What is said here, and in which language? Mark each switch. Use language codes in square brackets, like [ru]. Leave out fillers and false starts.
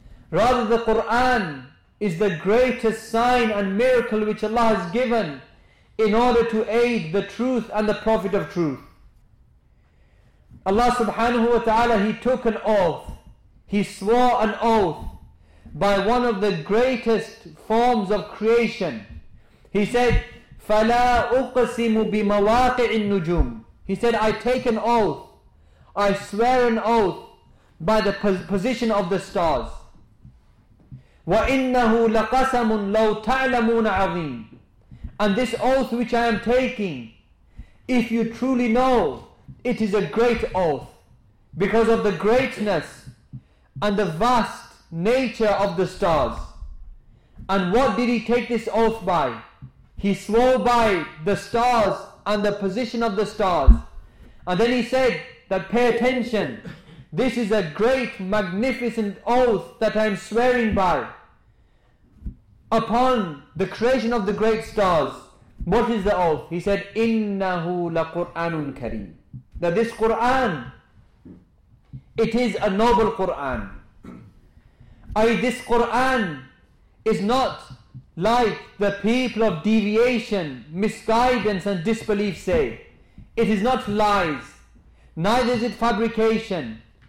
[en] Rather, the Quran is the greatest sign and miracle which Allah has given in order to aid the truth and the Prophet of truth. Allah subhanahu wa ta'ala, He took an oath. He swore an oath by one of the greatest forms of creation. He said, [ar] فَلَا أُقْسِمُ بِمَوَاقِعِ النُّجُومِ. [en] He said, I take an oath. I swear an oath by the position of the stars. [ar] وَإِنَّهُ لَقَسَمٌ لَوْ تَعْلَمُونَ عَظِيمٌ. [en] And this oath which I am taking, if you truly know, it is a great oath. Because of the greatness and the vast nature of the stars. And what did he take this oath by? He swore by the stars and the position of the stars. And then he said that, pay attention. This is a great, magnificent oath that I am swearing by. Upon the creation of the great stars, what is the oath? He said, [ar] إِنَّهُ لَقُرْآنٌ كَرِيمٌ. [en] That this Qur'an, it is a noble Qur'an. This Qur'an is not like the people of deviation, misguidance and disbelief say. It is not lies. Neither is it fabrication.